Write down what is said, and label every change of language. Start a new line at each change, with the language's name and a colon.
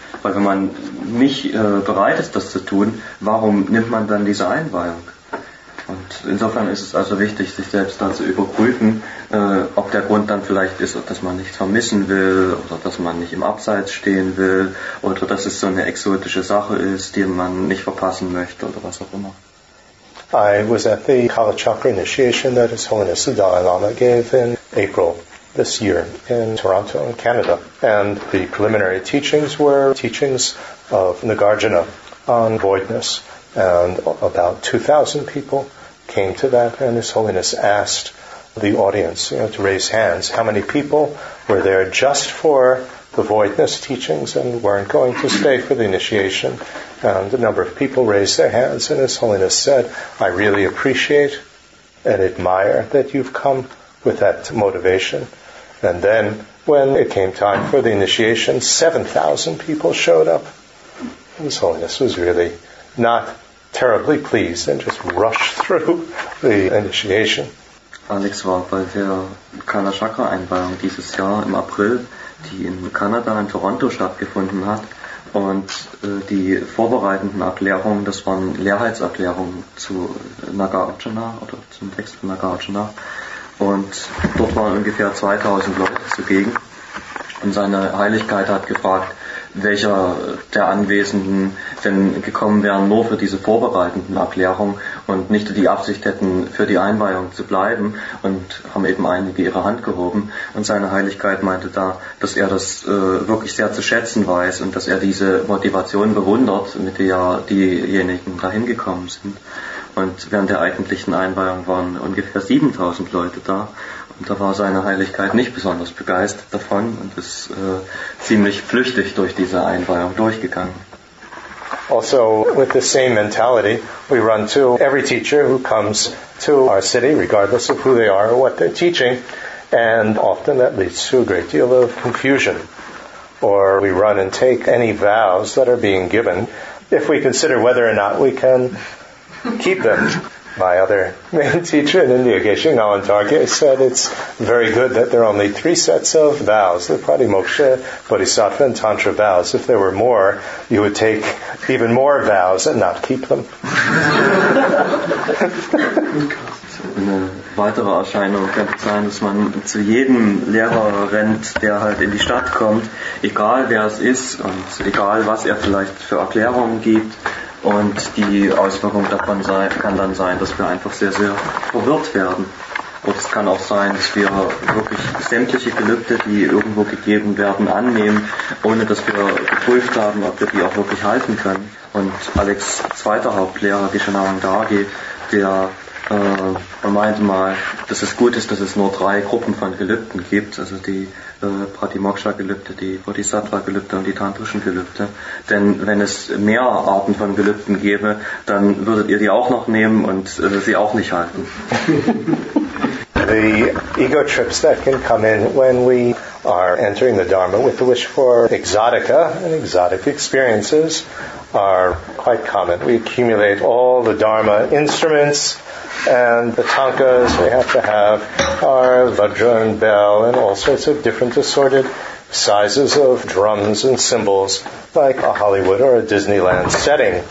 German: Weil wenn man nicht bereit ist, das zu tun, warum nimmt man dann diese Einweihung? Und insofern ist es also wichtig, sich selbst da zu überprüfen, ob der Grund dann vielleicht ist, dass man nichts vermissen will oder dass man nicht im Abseits stehen will oder dass es so eine exotische Sache ist, die man nicht verpassen möchte oder was auch immer.
English: I was at the Kalachakra initiation that His Holiness the Dalai Lama gave in April this year in Toronto, in Canada. And the preliminary teachings were teachings of Nagarjuna on voidness. And about 2,000 people came to that, and His Holiness asked the audience, you know, to raise hands. How many people were there just for the voidness teachings and weren't going to stay for the initiation? And a number of people raised their hands, and His Holiness said, I really appreciate and admire that you've come with that motivation. And then when it came time for the initiation, 7,000 people showed up. His Holiness was really not terribly pleased and just rushed through the initiation.
German: Alex war bei der Kalachakra-Einweihung dieses Jahr im April, die in Kanada, in Toronto stattgefunden hat. Und die vorbereitenden Erklärungen, das waren Lehrheitserklärungen zu Nagarjuna oder zum Text von Nagarjuna. Und dort waren ungefähr 2000 Leute zugegen. Und seine Heiligkeit hat gefragt, welcher der Anwesenden denn gekommen wären nur für diese vorbereitenden Erklärungen und nicht die Absicht hätten, für die Einweihung zu bleiben, und haben eben einige ihre Hand gehoben. Und seine Heiligkeit meinte da, dass er das wirklich sehr zu schätzen weiß und dass er diese Motivation bewundert, mit der diejenigen dahin gekommen sind. Und während der eigentlichen Einweihung waren ungefähr 7000 Leute da. Und da war seine Heiligkeit nicht besonders begeistert davon und ist ziemlich flüchtig durch diese Einweihung durchgegangen. Also, with the same mentality, we run to every teacher who comes to our city, regardless of who they are or what they're teaching, and often that leads to a great deal of confusion. Or we run and take any vows that are being given, if we consider whether or not we can keep them. My other main teacher in India, Geshe Ngawan Dargye, said it's very good that there are only 3 sets of vows, the Pratimoksha, Bodhisattva, and Tantra vows. If there were more, you would take even more vows and not keep them. Eine weitere Erscheinung könnte sein, dass man zu jedem Lehrer rennt, der halt in die Stadt kommt, egal wer es ist und egal was er vielleicht für Erklärungen gibt. Und die Auswirkung davon kann dann sein, dass wir einfach sehr, sehr verwirrt werden. Und es kann auch sein, dass wir wirklich sämtliche Gelübde, die irgendwo gegeben werden, annehmen, ohne dass wir geprüft haben, ob wir die auch wirklich halten können. Und Alex' zweiter Hauptlehrer, Geshe Ngawan Dargye, der Man meinte mal, dass es gut ist, dass es nur drei Gruppen von Gelübden gibt, also die Pratimoksha-Gelübde, die Bodhisattva-Gelübde und die tantrischen Gelübde. Denn wenn es mehr Arten von Gelübden gäbe, dann würdet ihr die auch noch nehmen und sie auch nicht halten.
English: The ego trips that can come in when we are entering the Dharma with the wish for exotica and exotic experiences are quite common. We accumulate all the Dharma instruments and the tankas we have to have are vajra and bell and all sorts of different assorted sizes of drums and cymbals, like a Hollywood or a Disneyland setting.